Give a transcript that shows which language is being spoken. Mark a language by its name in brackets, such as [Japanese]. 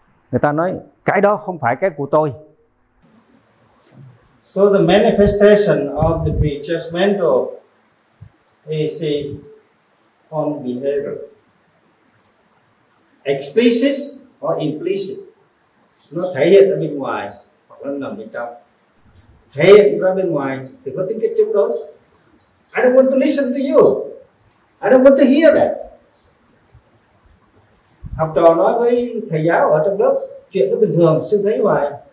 [Vietnamese] Người ta nói cái đó không phải cái của tôi. [English] So the manifestation of the prejudgmental is on behavior, explicit or implicit. [Vietnamese] Nó thể hiện ra bên ngoài hoặc nó nằm bên trong. Thể hiện ra bên ngoài thì có tính cách chống đối. [English] I don't want to listen to you. I don't want to hear that. [Vietnamese] Học trò nói với thầy giáo ở trong lớp chuyện nó bình thường, sư thấy hoài.